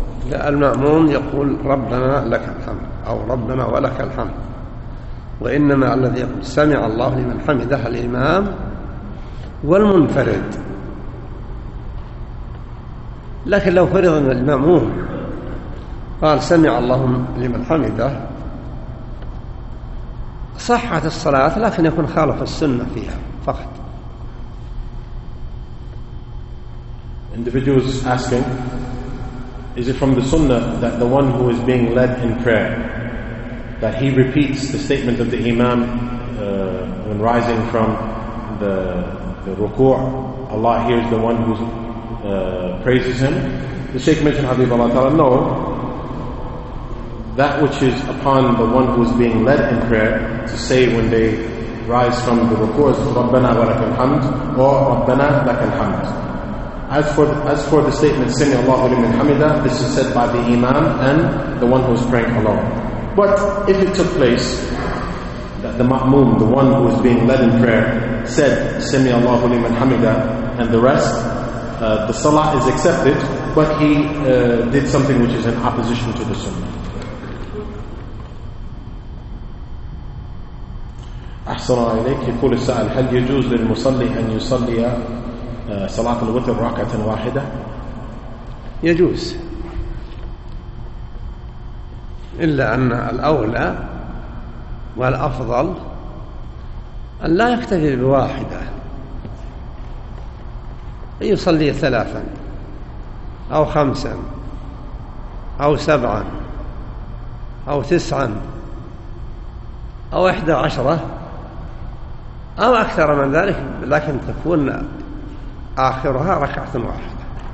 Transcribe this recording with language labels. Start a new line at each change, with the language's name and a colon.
Arabic: لا، المأموم يقول ربنا لك الحمد أو ربنا ولك الحمد، وإنما الذي يقول سمع الله لمن حمده الإمام والمنفرد. لكن لو فرض أن المأموم قال سمع الله لمن حمده صحة الصلاة لكن يكون خالف السنة فيها فقط.
English: Individuals asking, is it from the sunnah that the one who is being led in prayer that he repeats the statement of the imam when rising from the ruku', Allah hears the one who praises him. The Shaykh mentioned Habibullah Ta'ala, no. That which is upon the one who is being led in prayer to say when they rise from the ruku' is
Arabic: Rabbana wa lakal hamd
English: or
Arabic: Rabbana lakal hamd.
English: As for the statement
Arabic: Sami Allahu liman hamida,
English: this is said by the imam and the one who is praying alone. But if it took place that the ma'mum, the one who is being led in prayer, said
Arabic: Sami Allahu liman hamida
English: and the rest, the salah is accepted, but he did something which is in opposition to the sunnah.
Arabic: أحسن إليك يقول السائل هل يجوز للمصلي أن يصلي صلاة الوتر ركعة واحدة؟ يجوز، إلا أن الأولى والأفضل أن لا يكتفي بواحدة، أن يصلي ثلاثا أو خمسا أو سبعا أو تسعا أو إحدى عشرة أو أكثر من ذلك، لكن تكون آخرها ركعة واحدة.